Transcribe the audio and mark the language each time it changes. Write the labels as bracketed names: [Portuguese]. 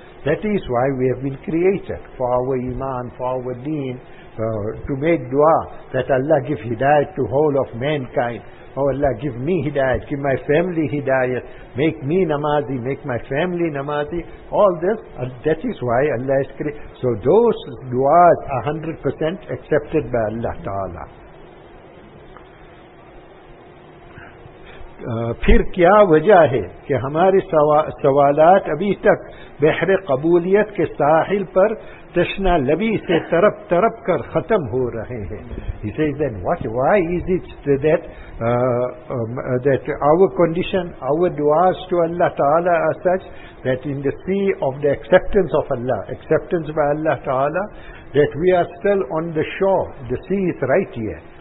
[English] That is why we have been created for our iman, for our deen, to make dua that Allah give hidayat to whole of mankind. Oh Allah, give me hidayat, give my family hidayat, make me namazi, make my family namazi. All this, that is why Allah has created. So those duas are 100% accepted by Allah Ta'ala. [Urdu] پھر کیا وجہ ہے کہ ہمارے سوالات ابھی تک بحر قبولیت کے ساحل پر تشنہ لبی سے ترپ ترپ کر ختم ہو رہے ہیں. [English] He says then, why is it that our condition, our duas to Allah Ta'ala are such that in the sea of the acceptance of Allah, acceptance by Allah Ta'ala, that we are still on the shore, the sea is right here.